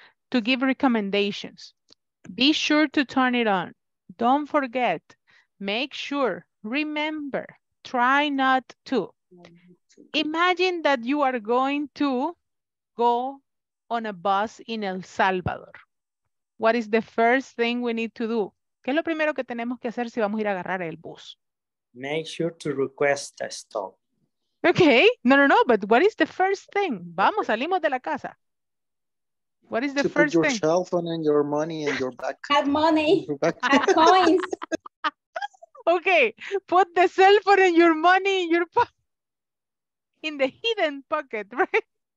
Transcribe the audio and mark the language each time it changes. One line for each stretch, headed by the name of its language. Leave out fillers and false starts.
English: To give recommendations. Be sure to turn it on. Don't forget. Make sure. Remember. Try not to. Imagine that you are going to go on a bus in El Salvador. What is the first thing we need to do?
Spanish: ¿Qué es lo primero que tenemos que hacer si vamos a ir a agarrar el bus? Make sure to request a stop. Okay, no, but what is the first thing? Vamos, salimos de la casa.
English: What is the first thing? To put your cell phone and your money in your back. Add money, add coins. Okay, put the cell phone and your money in your in the hidden pocket, right?